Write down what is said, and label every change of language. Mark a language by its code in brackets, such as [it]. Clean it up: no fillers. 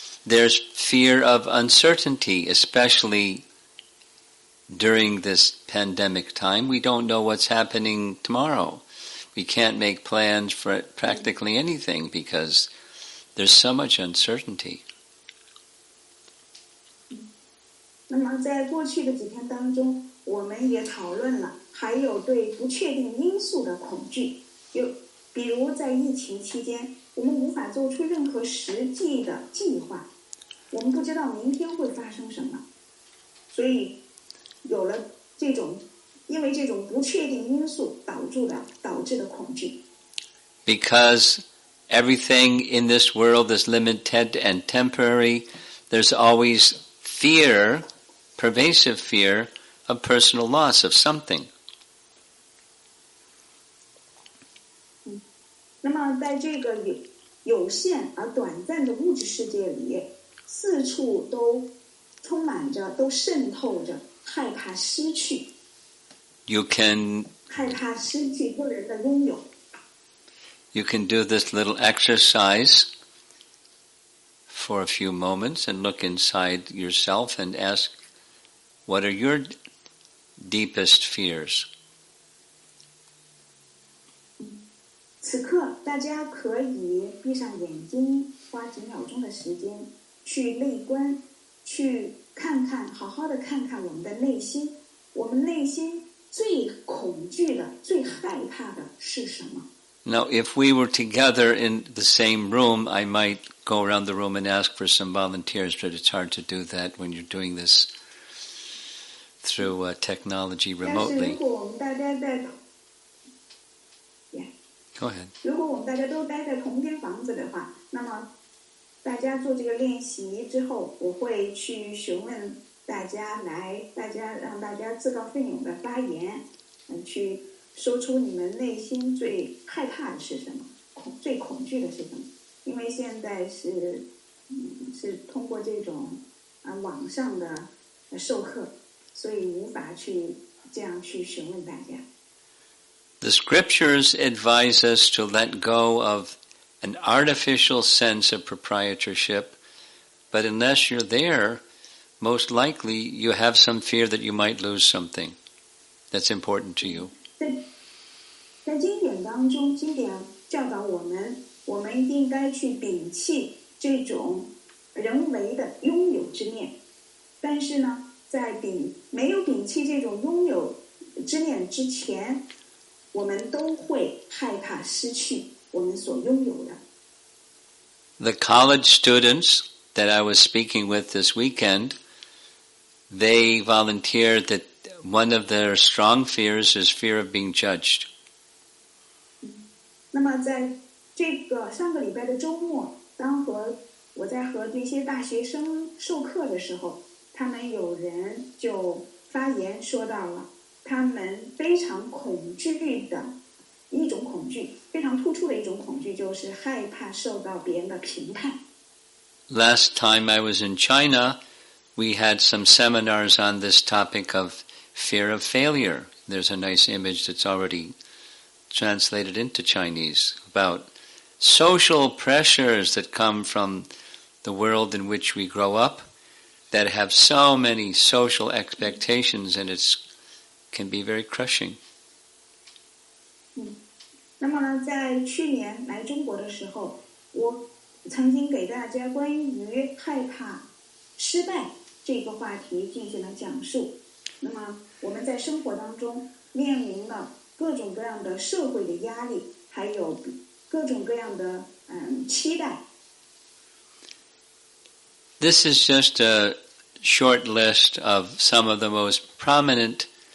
[en] There's fear of uncertainty, especially during this pandemic time. We don't know what's happening tomorrow. We can't make plans for practically anything because there's so much uncertainty. [zh] 那么在过去的几天当中，我们也讨论了还有对不确定因素的恐惧，就比如在疫情期间，我们无法做出任何实际的计划，我们不知道明天会发生什么，所以有了这种，因为这种不确定因素导致的恐惧。 [en] Because everything in this world is limited and temporary, there's always fear, pervasive fear of personal loss of something. [zh] 那么在这个有限而短暂的物质世界里，四处都充满着，都渗透着害怕失去。 [en] You can [zh] 害怕失去个人的拥有。 [en] You can do this little exercise for a few moments and look inside yourself and ask, what are your deepest fears? [zh] 此刻大家可以闭上眼睛，花几秒钟的时间去内观，去看看，好好的看看我们的内心，我们内心最恐惧的，最害怕的是什么。 [en] Now if we were together in the same room, I might go around the room and ask for some volunteers, but it's hard to do that when you're doing this through technology remotely. [zh] 但是如果我们大家在 [en] Go ahead. [zh] 如果我们大家都待在同间房子的话，那么大家做这个练习之后，我会去询问大家来，大家让大家自告奋勇的发言，去说出你们内心最害怕的是什么，最恐惧的是什么。因为现在是通过这种网上的授课，所以无法去这样去询问大家。 [en] The scriptures advise us to let go of an artificial sense of proprietorship, but unless you're there, most likely you have some fear that you might lose something that's important to you. [zh] 在经典当中，经典教导我们应该去摒弃这种人为的拥有之念。但是呢，在没有摒弃这种拥有之念之前，我们都会害怕失去我们所拥有的。 [en] The college students that I was speaking with this weekend, they volunteered that one of their strong fears is fear of being judged. [zh] 那么在这个上个礼拜的周末，当我在和这些大学生授课的时候，他们有人就发言说到了他们非常恐惧的一种恐惧，非常突出的一种恐惧，就是害怕受到别人的评判。 [en] Last time I was in China, we had some seminars on this topic of fear of failure. There's a nice image that's already translated into Chinese about social pressures that come from the world in which we grow up that have so many social expectations, and it's. Can be very crushing. [zh] 那么呢，在去年来中国的时候，我曾经给大家关于害怕失败这个话题进行了讲述。那么我们在生活当中面临了各种各样的社会的压力，还有各种各样的期待。 [en] This is just a short list of some of the most prominent.